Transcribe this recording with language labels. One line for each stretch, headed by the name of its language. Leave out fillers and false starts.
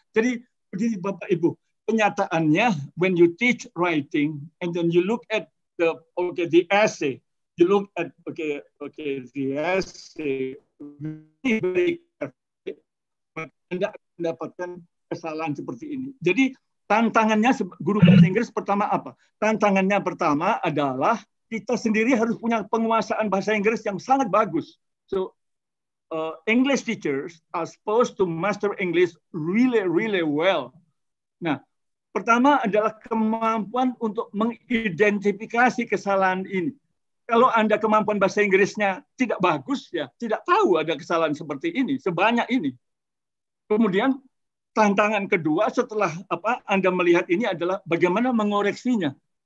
Indonesian: Jadi begini Bapak Ibu, kenyataannya
English: when you teach writing and then you look at the okay the essay, you look at okay the essay very carefully,
Indonesian: Anda akan mendapatkan kesalahan seperti ini. Jadi tantangannya guru bahasa Inggris pertama apa? Tantangannya pertama adalah kita sendiri harus punya penguasaan bahasa Inggris yang sangat bagus.
English: So English teachers are supposed to master English really really well.
Indonesian: Nah, pertama adalah kemampuan untuk mengidentifikasi kesalahan ini. Kalau Anda kemampuan bahasa Inggrisnya tidak bagus ya, tidak tahu ada kesalahan seperti ini, sebanyak ini. Kemudian tantangan kedua setelah apa Anda melihat ini adalah bagaimana mengoreksinya.